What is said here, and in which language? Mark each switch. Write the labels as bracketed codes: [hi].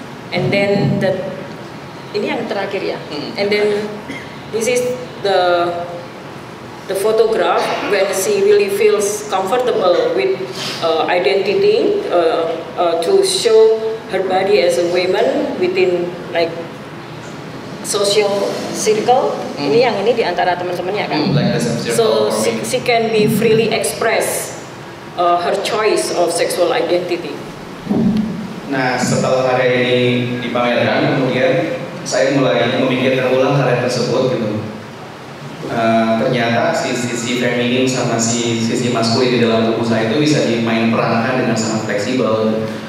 [en] And then the [id] ini yang terakhir ya. [en] And then this is the photograph when she really feels comfortable with identity to show her body as a woman within like social circle. [id] Ini yang ini di antara teman-temannya kan. [en] So she can be freely express her choice of sexual identity. [id] Nah, setelah hari ini dipamerkan, kemudian saya mulai memikirkan ulang hal yang tersebut gitu. Ternyata sisi feminin sama sisi maskulin di dalam tubuh saya itu bisa dimain perankan dengan sangat fleksibel.